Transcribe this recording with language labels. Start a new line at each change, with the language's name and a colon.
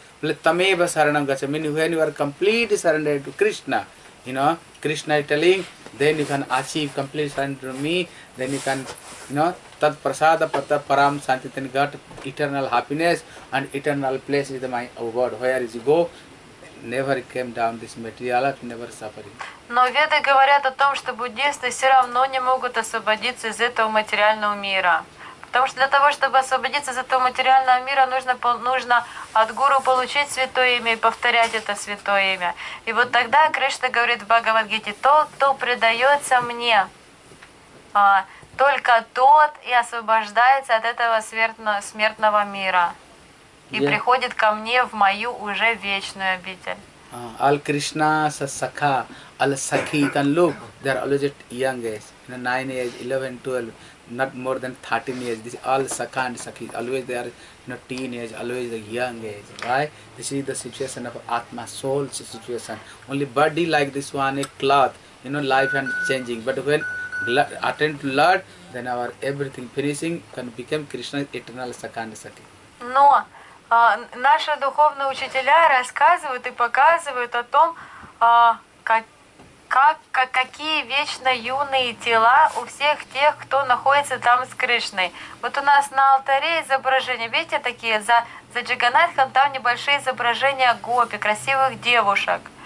Sanskrit: Tameva saranam gacha,
English: meaning when you are completely surrendered to Krishna, you know, Krishna is telling, then you can achieve complete surrender to me, then you can, you know,
Sanskrit: tat prasadat param santing,
English: then you got eternal happiness and eternal place is my abode. Where is you go? Never came down this material, never suffering.
Russian: Но веды говорят о том, что буддисты все равно не могут освободиться из этого материального мира. Потому что для того, чтобы освободиться из этого материального мира, нужно от гуру получить святое имя и повторять это святое имя. И вот тогда Кришна говорит в Бхагавад-гите, тот, кто предается мне, только тот и освобождается от этого смертного мира. И приходит ко мне в мою уже вечную обитель.
English: All Krishna sakha, all sakhi can look. They are always at young age, you know, 9 age, 11, 12, not more than 13 age. This all sakha and sakhi, always they are, you know, teen age, always the young age. Why? This is the situation of atma, soul situation. Only body like this one, a cloth, you know, life and changing. But when attend to Lord, then our everything finishing can become Krishna's eternal sakha and sakhi. No.
Russian: Наши духовные учителя рассказывают и показывают о том, какие вечно юные тела у всех тех, кто находится там с Кришной. Вот у нас на алтаре изображения, видите, такие, за Джаганнатхом там небольшие изображения гопи, красивых девушек.